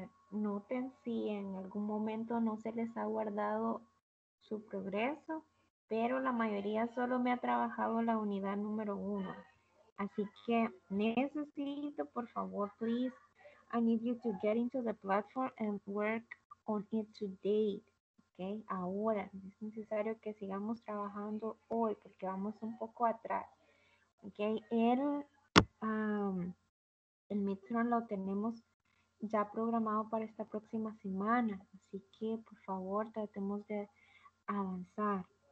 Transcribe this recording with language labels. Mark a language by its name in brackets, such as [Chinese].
[Spanish] Noten si en algún momento no se les ha guardado su progreso, pero la mayoría solo me ha trabajado la unidad número 1. Así que necesito, por favor, [English] please, I need you to get into the platform and work on it today. [Spanish] Okay, ahora es necesario que sigamos trabajando hoy porque vamos un poco atrás. Okay, el midterm lo tenemos ya programado para esta próxima semana, así que por favor tratemos de avanzar.